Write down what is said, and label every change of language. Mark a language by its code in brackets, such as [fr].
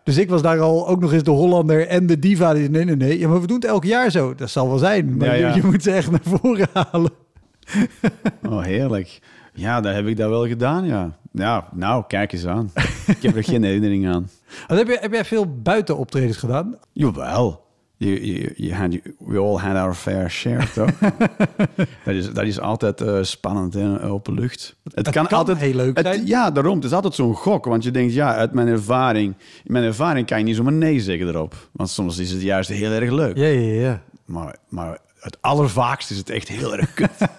[nl] Dus ik was daar al ook nog eens de Hollander en de diva. Die zei, nee. Ja, maar we doen het elk jaar zo. Dat zal wel zijn. Maar je moet ze echt naar voren halen. Oh, heerlijk. Ja, dat heb ik dat wel gedaan, ja. Nou, kijk eens aan. Ik heb er geen herinnering aan. Heb jij veel buitenoptredens gedaan? Jawel. [en] We all had our fair share, toch? [nl] dat is altijd spannend in open lucht. Het kan altijd heel leuk zijn. Ja, daarom. Het is altijd zo'n gok. Want je denkt, ja, uit mijn ervaring... In mijn ervaring kan je niet zomaar nee zeggen erop. Want soms is het juist heel erg leuk. Ja, ja, ja. Maar het allervaakste is het echt heel erg kut.